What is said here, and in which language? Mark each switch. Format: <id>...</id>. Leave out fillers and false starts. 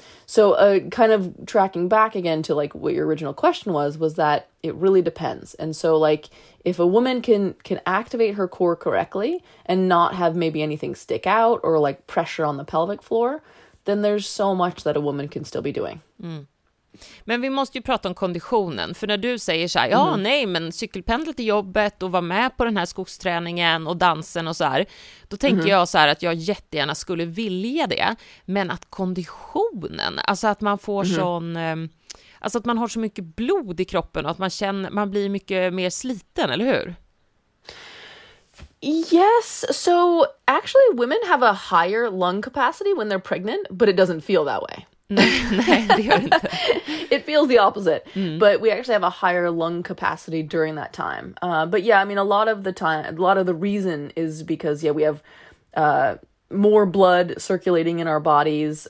<en>So kind of tracking back again to, like, what your original question was that it really depends. And so, like, if a woman can activate her core correctly and not have maybe anything stick out or, like, pressure on the pelvic floor, then there's so much that a woman can still be doing. Mm.</en> <sv>Men vi måste ju prata om konditionen. För när du säger så här, ja, nej, men cykelpendla till jobbet och vara med på den här skogsträningen och dansen och så här. Då tänker jag så här att jag jättegärna skulle vilja det. Men att konditionen, alltså att man får sån, alltså att man har så mycket blod i kroppen och att man känner, man blir mycket mer sliten, eller hur?</sv> <en>Yes, so actually women have a higher lung capacity when they're pregnant, but it doesn't feel that way. It feels the opposite, but we actually have a higher lung capacity during that time. But yeah, I mean, a lot of the reason is because, yeah, we have more blood circulating in our bodies.</en>